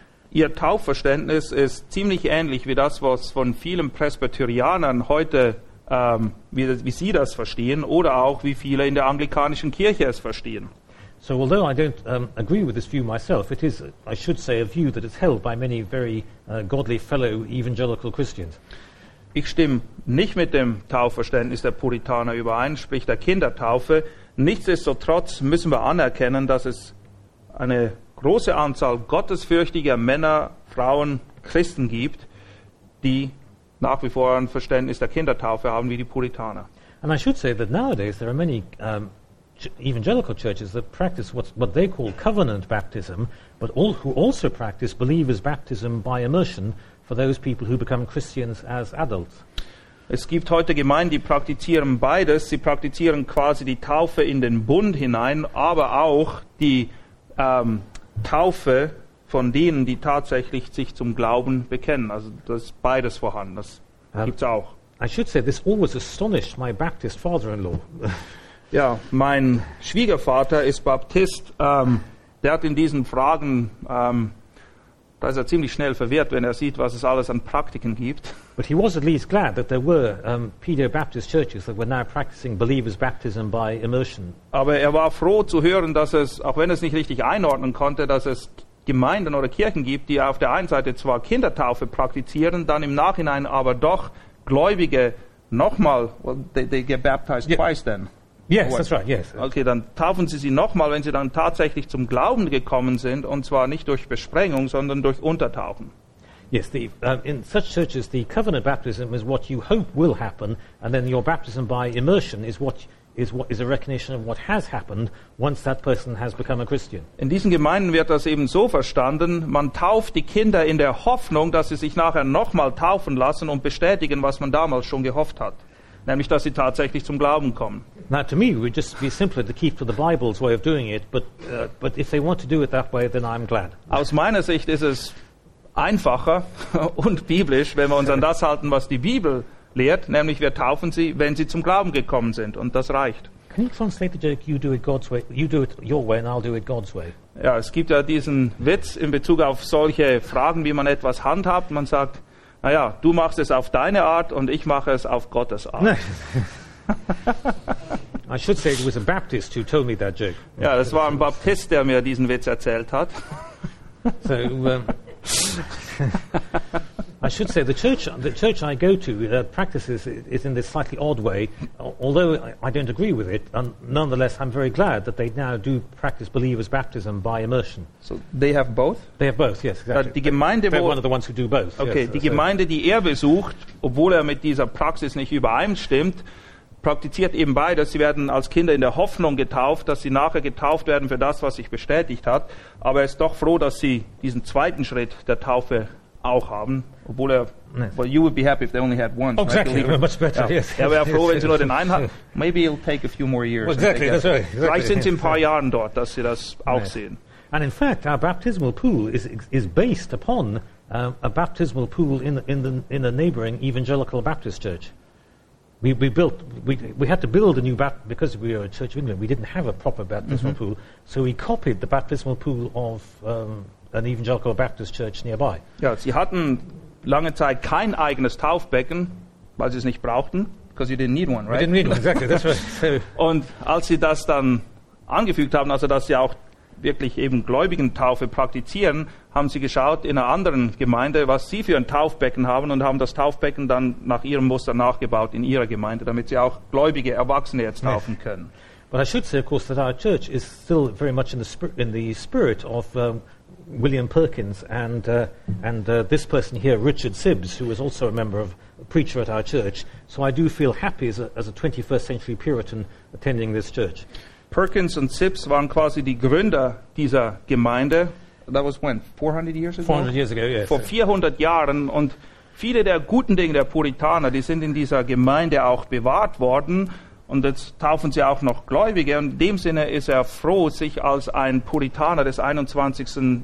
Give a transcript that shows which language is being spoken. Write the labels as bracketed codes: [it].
[de] Ihr Taufverständnis ist ziemlich ähnlich wie das, was von vielen Presbyterianern heute wie Sie das verstehen oder auch wie viele in der anglikanischen Kirche es verstehen. [en] So although I don't agree with this view myself, it is, I should say, a view that is held by many very godly fellow evangelical Christians. [de] Ich stimme nicht mit dem Taufverständnis der Puritaner überein, sprich der Kindertaufe. Nichtsdestotrotz müssen wir anerkennen, dass es eine große Anzahl gottesfürchtiger Männer, Frauen, Christen gibt, die nach wie vor ein Verständnis der Kindertaufe haben wie die Puritaner. [en] And I should say that nowadays there are many evangelical churches that practice what they call covenant baptism, but all who also practice believers' baptism by immersion for those people who become Christians as adults. [de] Es gibt heute Gemeinden, die praktizieren beides. Sie praktizieren quasi die Taufe in den Bund hinein, aber auch die Taufe von denen, die tatsächlich sich zum Glauben bekennen. Also das ist beides vorhanden. Das gibt's auch. [en] I should say this always astonished my Baptist father-in-law. [de] Ja, mein Schwiegervater ist Baptist. Der hat in diesen Fragen, da ist er ziemlich schnell verwirrt, wenn er sieht, was es alles an Praktiken gibt. [en] But he was at least glad that there were pedo-Baptist churches that were now practicing believers' baptism by immersion. [de] Aber er war froh zu hören, dass es, auch wenn er es nicht richtig einordnen konnte, dass es Gemeinden oder Kirchen gibt, die auf der einen Seite zwar Kindertaufe praktizieren, dann im Nachhinein aber doch Gläubige nochmal, [en] well, they get baptized twice then. Yes, that's right, yes. [de] Okay, dann taufen Sie sie nochmal, wenn Sie dann tatsächlich zum Glauben gekommen sind, und zwar nicht durch Besprengung, sondern durch Untertauchen. [en] Yes, in such churches the covenant baptism is what you hope will happen, and then your baptism by immersion is a recognition of what has happened once that person has become a Christian. [de] In diesen Gemeinden wird das eben so verstanden, man tauft die Kinder in der Hoffnung, dass sie sich nachher nochmal taufen lassen und bestätigen, was man damals schon gehofft hat. Nämlich, dass sie tatsächlich zum Glauben kommen. [en] Now to me it would just be simpler to keep to the Bible's way of doing it, but if they want to do it that way, then I'm glad. [de] Aus meiner Sicht ist es einfacher und biblisch, wenn wir uns an das halten, was die Bibel lehrt, nämlich wir taufen sie, wenn sie zum Glauben gekommen sind, und das reicht. [en] Can you translate the joke, you do it God's way, you do it your way and I'll do it God's way? [de] Ja, es gibt ja diesen Witz in Bezug auf solche Fragen, wie man etwas handhabt. Man sagt, naja, du machst es auf deine Art und ich mache es auf Gottes Art. [en] I should say it was a Baptist who told me that joke. [de] Ja, das war ein Baptist, der mir diesen Witz erzählt hat. [en] So, I should say the church I go to practices it in this slightly odd way, although I don't agree with it, and nonetheless I'm very glad that they now do practice believers' baptism by immersion. So they have both? They have both, yes, exactly. [de] Die Gemeinde, [en] they're one of the ones who do both. Okay, yes, [de] die Gemeinde, die er besucht, obwohl er mit dieser Praxis nicht übereinstimmt, praktiziert eben beides. Sie werden als Kinder in der Hoffnung getauft, dass sie nachher getauft werden für das, was sich bestätigt hat. Aber er ist doch froh, dass sie diesen zweiten Schritt der Taufe auch haben. Obwohl er, [en] well, you would be happy if they only had one. Exactly, right? Much better, ja. [de] Yes. Er wäre froh, wenn sie nur den einen hatten. [en] Maybe it'll take a few more years. Well, exactly, that's right. Exactly. [de] Vielleicht sind sie in ein paar Jahren dort, dass sie das auch sehen. [en] And in fact, our baptismal pool is based upon a baptismal pool in the neighboring evangelical Baptist church. We had to build a new baptism because we are a Church of England. We didn't have a proper baptismal pool, so we copied the baptismal pool of an evangelical Baptist church nearby. [de] Ja, sie hatten lange Zeit kein eigenes Taufbecken, weil sie es nicht brauchten, [en] because you didn't need one, right? We didn't need one, exactly, that's right. So. [de] Und als sie das dann angefügt haben, also dass sie auch wirklich eben Gläubigentaufe praktizieren, haben sie geschaut in einer anderen Gemeinde, was sie für ein Taufbecken haben, und haben das Taufbecken dann nach ihrem Muster nachgebaut in ihrer Gemeinde, damit sie auch gläubige Erwachsene jetzt taufen können. [en] But I should say, of course, that our church is still very much in the spirit of William Perkins and this person here, Richard Sibbes, who was also a member of a preacher at our church. So I do feel happy as a 21st century Puritan attending this church. [de] Perkins und Sibbes waren quasi die Gründer dieser Gemeinde. [en] That was when? 400 years ago? 400 years ago, yes. [de] Vor 400 Jahren. Und viele der guten Dinge der Puritaner, die sind in dieser Gemeinde auch bewahrt worden. Und jetzt taufen sie auch noch Gläubige. Und in dem Sinne ist er froh, sich als ein Puritaner des 21.